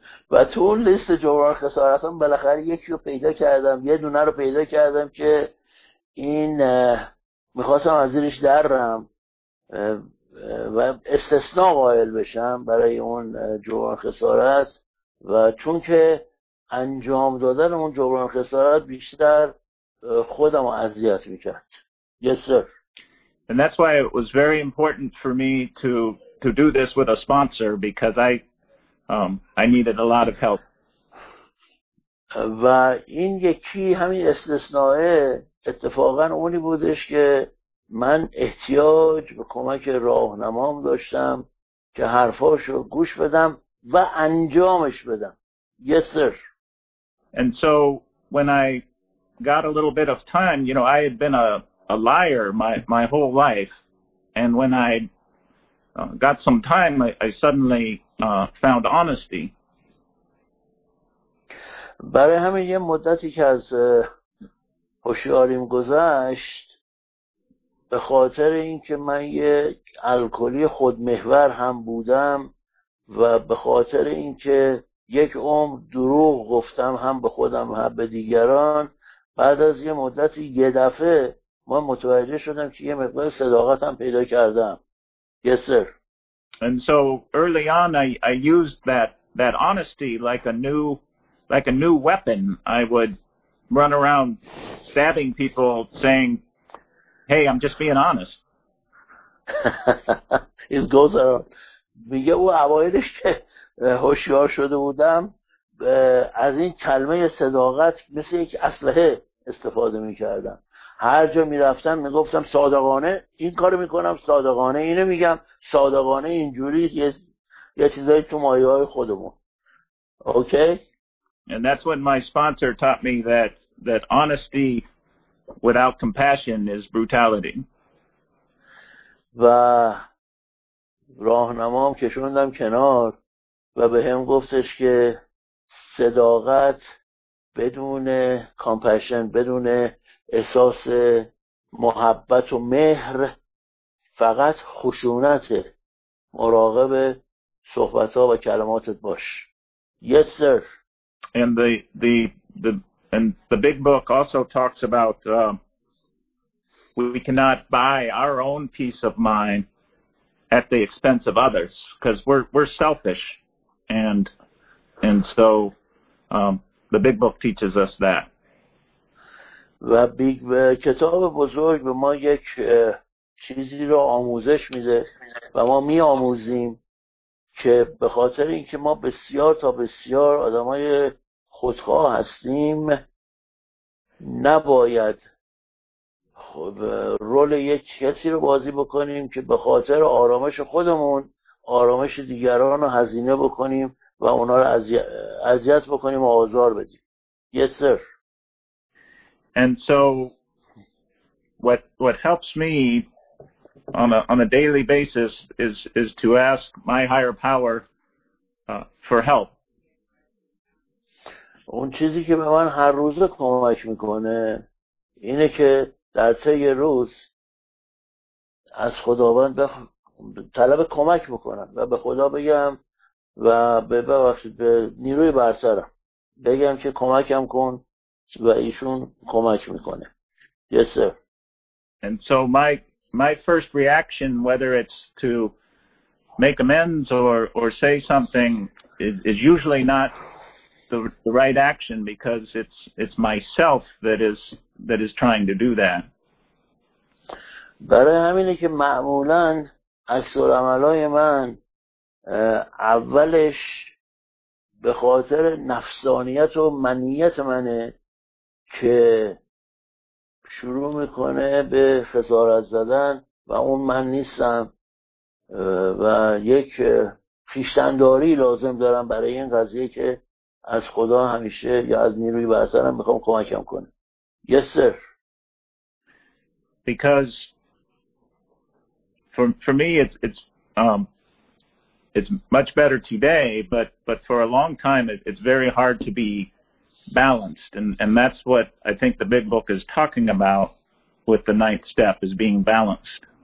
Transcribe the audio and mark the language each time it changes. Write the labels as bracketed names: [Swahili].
[Persian] و تو اون لیست جبران خسارت هم بالاخره یکی رو پیدا کردم، یه دونه رو پیدا کردم که این میخواستم از زیرش درم و استثناء قائل بشم برای اون جبران خسارت، و چون که انجام دادن اون جبران خسارت بیشتر خودم رو اذیت میکرد. [English] Yes, sir. And that's why it was very important for me to do this with a sponsor, because I needed a lot of help. [Persian] و این یکی همین استثنائه اتفاقا اونی بودش که من احتیاج به کمک راهنمام داشتم که حرفاشو گوش بدم و انجامش بدم. [English] Yes, sir. And so when I got a little bit of time, you know, I had been a liar my whole life, and when I got some time, I suddenly found honesty. [Persian] برای همین یه مدتی که از هوشیاریم گذشت به خاطر اینکه من یه الکلی خودمحور هم بودم و به خاطر اینکه یک عمر دروغ گفتم هم به خودم هم به دیگران، بعد از یه مدتی یه دفعه من متوجه شدم که یه مقدار صداقتم پیدا کردم. [English] Yes, sir. And so early on I used that honesty like a new weapon. I would run around stabbing people saying, hey, I'm just being honest. It goes on. [Persian] میگه او اوائلش که هوشیار شده بودم از این کلمه صداقت مثل یک اسلحه استفاده میکردم. هر جا میرفتم میگفتم صادقانه این کارو میکنم، صادقانه اینو میگم، صادقانه اینجوری، یه چیزایی تو مایه های خودمون. [English] Okay. And that's when my sponsor taught me that honesty without compassion is brutality. [Persian] و راهنمام کشوندم کنار و به هم گفتش که صداقت بدون کامپشن، بدون احساس محبت و مهر، فقط خشونت. مراقب صحبت ها و کلماتت باش. [English] Yes, sir. And the big book also talks about we cannot buy our own peace of mind, at the expense of others, because we're selfish, and so the Big Book teaches us that. [Persian] و بیگ و کتاب بزرگ به ما یک چیزی رو آموزش میده و ما میآموزیم که به خاطر اینکه ما بسیار تا بسیار آدمای خودخواه هستیم نباید رول یک کسی رو بازی بکنیم که به خاطر آرامش خودمون آرامش دیگران رو هزینه بکنیم و اونا رو اذیت بکنیم و آزار بدیم. [English] Yes, sir. And so what helps me on a daily basis is to ask my higher power for help. [Persian] اون چیزی که به من هر روز کمک میکنه اینه که در طی روز از خداوند طلب کمک بکنم و به خدا بگم و به نیروی برترم بگم که کمکم کن و ایشون کمک میکنه. [English] Yes, sir. And so my first reaction, whether it's to make amends or say something, is usually not the right action, because it's myself that is trying to do that. [Persian] برای همینه که معمولا اکثر عملای من اولش به خاطر نفسانیت و منیت منه که شروع میکنه به خسارت زدن و اون من نیستم و یک خویشتنداری لازم دارم برای این قضیه که از خدا همیشه یا از نیروی برترم میخوام کمکم کنه. [English] Yes, sir. Because for me it's much better today, but for a long time it's very hard to be balanced, and that's what I think the Big Book is talking about with the ninth step, is being balanced.